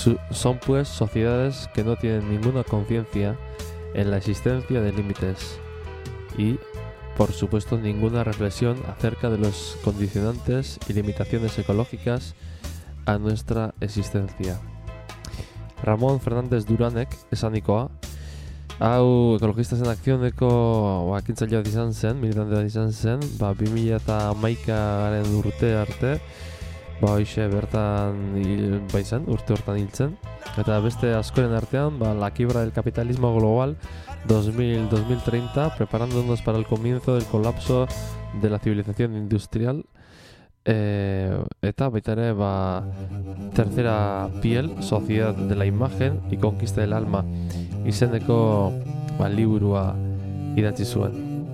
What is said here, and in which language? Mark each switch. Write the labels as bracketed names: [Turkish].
[Spanish] Son pues sociedades que no tienen ninguna conciencia en la existencia de límites y, por supuesto, ninguna reflexión acerca de los condicionantes y limitaciones ecológicas a nuestra existencia. [Basque] Ramón Fernández Duranek, esanikoa, hau ekologistas en akzioneko ekintzailea izan zen, militantea izan zen, 2011 urte arte, hoxe bertan baizan, urte hortan hiltzen. [Spanish] Eta beste askoren artean, La quiebra del capitalismo global 2030, preparándonos para el comienzo del colapso de la civilización industrial. [Basque] Eta baita ere tercera piel, sociedad de la imagen y conquista del alma, izeneko liburua idatzi zuen.